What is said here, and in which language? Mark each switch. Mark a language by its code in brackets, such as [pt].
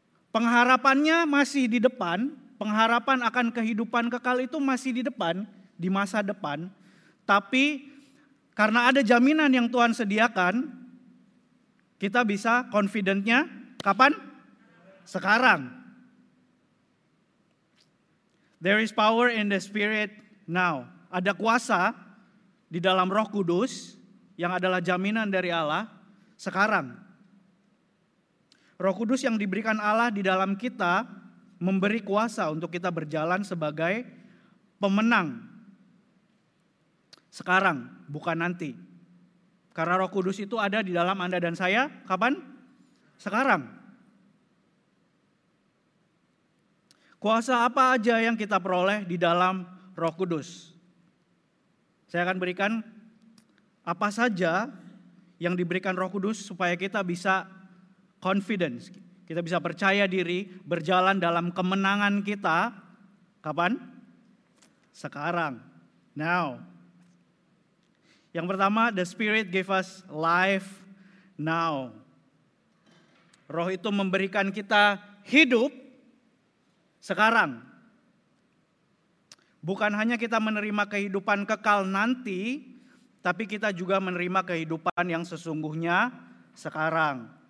[id] Pengharapannya masih di depan, pengharapan akan kehidupan kekal itu masih di depan, di masa depan. Tapi karena ada jaminan yang Tuhan sediakan, kita bisa confidentnya kapan? Sekarang. [en] There is power in the Spirit now. [id] Ada kuasa di dalam Roh Kudus yang adalah jaminan dari Allah sekarang. Roh Kudus yang diberikan Allah di dalam kita memberi kuasa untuk kita berjalan sebagai pemenang. Sekarang, bukan nanti. Karena Roh Kudus itu ada di dalam Anda dan saya, kapan? Sekarang. Kuasa apa aja yang kita peroleh di dalam Roh Kudus? Saya akan berikan apa saja yang diberikan Roh Kudus supaya kita bisa confidence. Kita bisa percaya diri, berjalan dalam kemenangan kita. Kapan? Sekarang. Now. Yang pertama, [en] the Spirit gave us life now. [id] Roh itu memberikan kita hidup sekarang. Bukan hanya kita menerima kehidupan kekal nanti, tapi kita juga menerima kehidupan yang sesungguhnya sekarang.